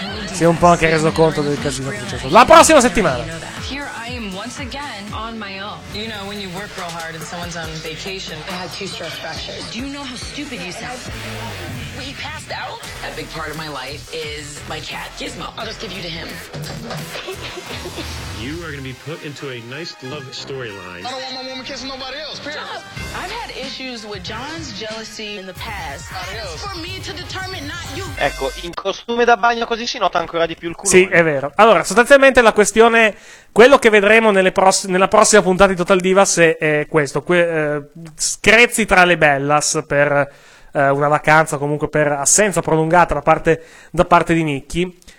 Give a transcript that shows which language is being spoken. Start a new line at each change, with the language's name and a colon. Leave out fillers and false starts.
Italian: Si è un po' anche reso conto del casino che è successo. La prossima settimana!
English: Here I am once again on my own. You know, when you work real hard and someone's on vacation. I had 2 stress fractures. Do you know how stupid you sound? He passed out. A big part of my life is my cat, Gizmo. I'll just give you to him. You are going to be put into a nice love storyline. I don't want my woman kissing nobody else, period. I've had issues with John's jealousy in the past. It's for me to determine, not you.
Italian: Ecco, in costume da bagno così si nota ancora di più il culo. Sì, è vero. Allora, sostanzialmente la questione... Quello che vedremo nelle nella prossima puntata di Total Divas è questo. Screzzi tra le Bellas per... una vacanza comunque per assenza prolungata da parte di Nicky.